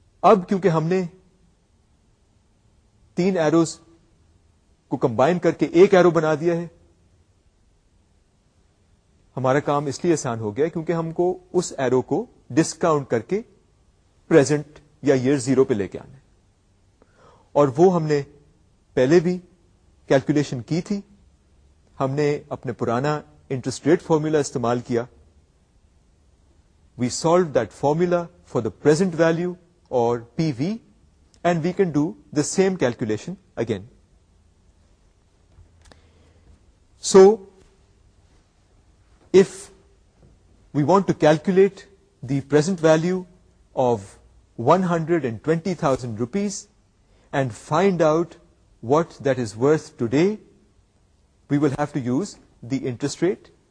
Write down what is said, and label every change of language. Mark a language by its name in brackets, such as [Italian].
[Urdu] اب کیونکہ ہم نے 3 arrows کو combine کر کے ایک arrow بنا دیا ہے, ہمارا کام اس لیے آسان ہو گیا کیونکہ ہم کو اس ایرو کو ڈسکاؤنٹ کر کے پریزنٹ یا ایئر زیرو پہ لے کے آنا ہے. اور وہ ہم نے پہلے بھی کیلکولیشن کی تھی. ہم نے اپنے پرانا انٹرسٹ ریٹ فارمولا استعمال کیا. [English] We solve that formula for the present value اور P V, and we can do the same calculation again. So, if we want to calculate the present value of 120,000 rupees and find out what that is worth today, we will have to use the interest rate.